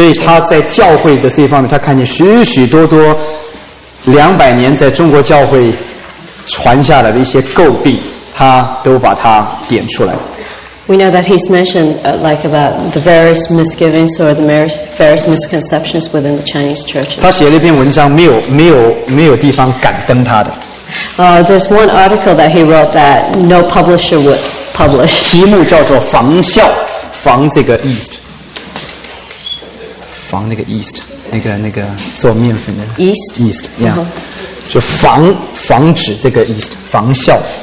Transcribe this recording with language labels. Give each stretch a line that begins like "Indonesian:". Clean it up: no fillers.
Chinese: 所以他在教会的这方面，他看见许许多多两百年在中国教会传下来的一些诟病，他都把它点出来。
English: We know that he's mentioned like about the various misgivings or the various misconceptions within the Chinese church.
Chinese: 他写了一篇文章，没有地方敢登他的。
English: There's one article that he wrote that no publisher would publish.
Chinese: 题目叫做“防笑”，防这个 yeast， 防那个 yeast， 那个做面粉的
English: yeast，
Chinese: yeah， 就防止这个 yeast， 防笑。